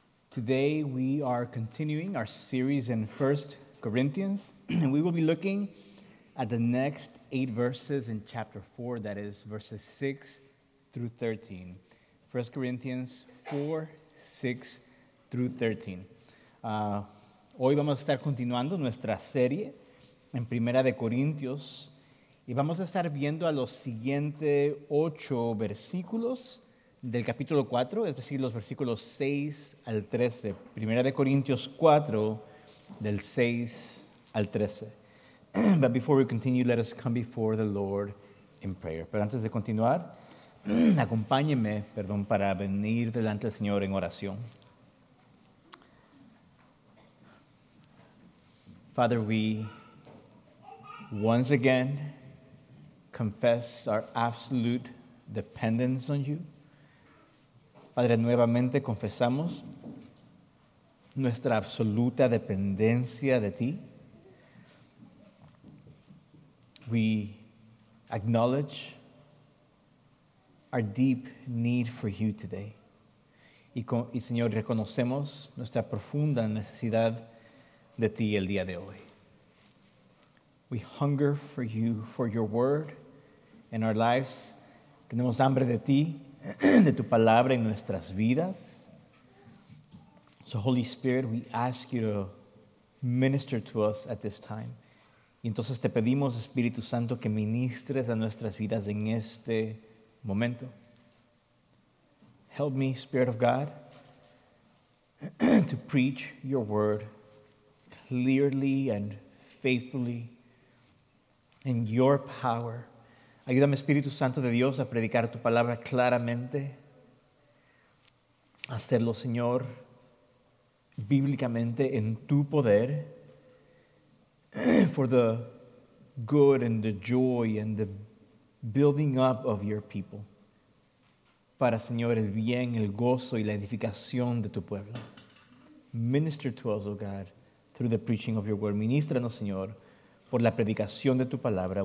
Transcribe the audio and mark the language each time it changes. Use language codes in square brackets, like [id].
[en] Today we are continuing our series in 1 Corinthians, and we will be looking at the next 8 verses in chapter 4, that is verses 6 through 13. 1 Corinthians 4, 6 through 13. [es] Hoy vamos a estar continuando nuestra serie en Primera de Corintios, y vamos a estar viendo a los siguientes 8 versículos del capítulo 4, es decir, los versículos 6 al 13. Primera de Corintios 4, del 6 al 13. [en] But before we continue, let us come before the Lord in prayer. [es] Pero antes de continuar, acompáñeme, perdón, para venir delante del Señor en oración. [en] Father, we once again confess our absolute dependence on you. [es] Padre, nuevamente confesamos nuestra absoluta dependencia de ti. [en] We acknowledge our deep need for you today. [es] Y Señor, reconocemos nuestra profunda necesidad de ti el día de hoy. [en] We hunger for you, for your word. In our lives, [es] tenemos hambre de ti, de tu palabra en nuestras vidas. [en] So Holy Spirit, we ask you to minister to us at this time. [es] Y entonces te pedimos, Espíritu Santo, que ministres a nuestras vidas en este momento. [en] Help me, Spirit of God, to preach your word clearly and faithfully in your power. [es] Ayúdame, Espíritu Santo de Dios, a predicar tu palabra claramente, a hacerlo, Señor, bíblicamente en tu poder, [en] for the good and the joy and the building up of your people, [es] para, Señor, el bien, el gozo y la edificación de tu pueblo. [en] Minister to us, oh God, through the preaching of your word. [es] Ministranos, Señor, por la predicación de tu palabra.